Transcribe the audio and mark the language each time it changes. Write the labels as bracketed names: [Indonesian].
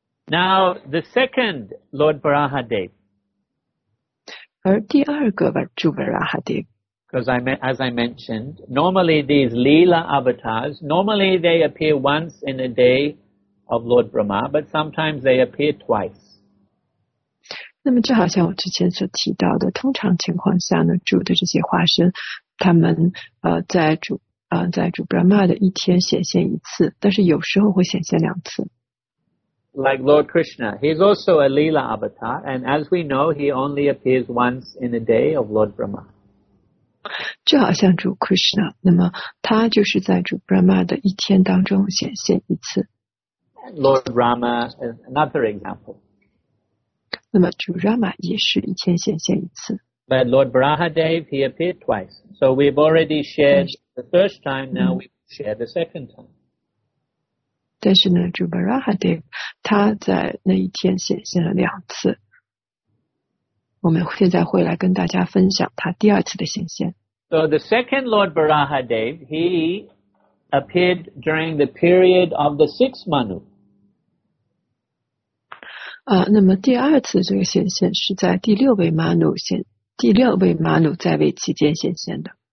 [English] Now, the second Lord Varahadeva. [Chinese] 而第二个主 Varahadeva. [English] Because as I mentioned, normally these Leela avatars, normally they appear once in a day of Lord Brahma, but sometimes they appear twice. [Chinese] 那么就好像我之前所提到的，通常情况下呢，主的这些化身，他们在主 Brahma 的一天显现一次，但是有时候会显现两次。 [English] Like Lord Krishna, he's also a Leela avatar, and as we know, he only appears once in a day of Lord Brahma. [Chinese] 就好像主 Krishna, 那么他就是在主 Brahma 的一天当中显现一次。 [English] Lord Rama is another example. [Chinese] 那么主 Rama 也是一天显现一次。 [English] But Lord Brahadev, he appeared twice. So we've already shared the first time, now we share the second time. [Chinese] 但是呢主 Varahadev 他在那一天显现了两次。我们现在会来跟大家分享他第二次的显现。 [English] So the second Lord Varahadev, he appeared during the period of the six Manu. [Chinese] 那么第二次这个显现是在第六位马努在位期间显现的。